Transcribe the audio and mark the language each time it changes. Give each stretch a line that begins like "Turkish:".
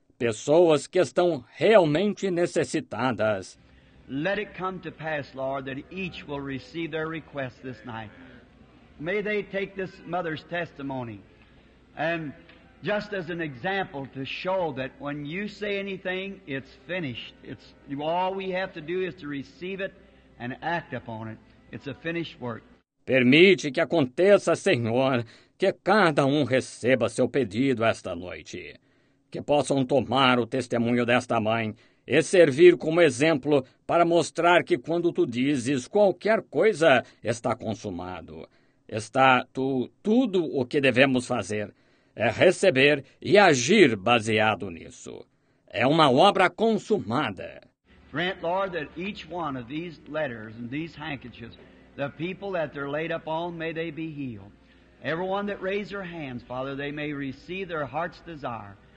Portuguese: Pessoas que estão realmente necessitadas.
English: Let it come to pass, Lord, that each will receive their request this night. May they take this mother's testimony and just as an example to show that when you say anything, it's finished. It's all we have to do is to receive it and act upon it. It's a finished work.
Portuguese: Permite que aconteça, Senhor, que cada um receba seu pedido esta noite. Que possam tomar o testemunho desta mãe e servir como exemplo para mostrar que quando tu dizes qualquer coisa, está consumado. Tudo o que devemos fazer é receber e agir baseado nisso. É uma obra consumada.
English: Grant, Lord, that each one of these letters and these handkerchiefs, the people that they're laid upon, may they be healed. Everyone that raised their hands, Father, they may receive their heart's desire.